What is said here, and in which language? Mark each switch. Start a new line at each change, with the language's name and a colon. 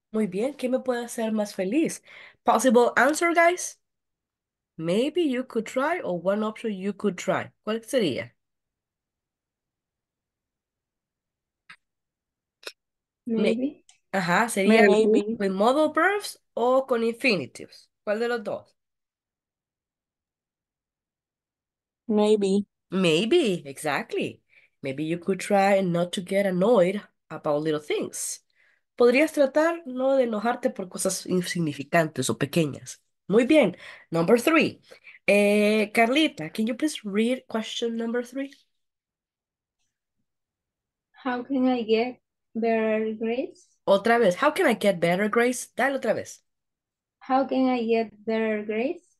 Spanish: Muy bien, ¿qué me puede hacer más feliz?
English: Possible answer, guys. Maybe you could try, or one option you could try.
Spanish: ¿Cuál sería?
English: Maybe.
Spanish: Ajá, sería
English: maybe. With modal verbs
Spanish: o con infinitives. ¿Cuál de los dos?
English: Maybe. Maybe, exactly. Maybe you could try not to get annoyed about little things.
Spanish: Podrías tratar no de enojarte por cosas insignificantes o pequeñas. Muy bien.
English: Number three. Carlita, can you please read question number three? How can I get better grades?
Spanish: Otra vez.
English: How can I get better grades?
Spanish: Dale otra vez.
English: How can I get better grades?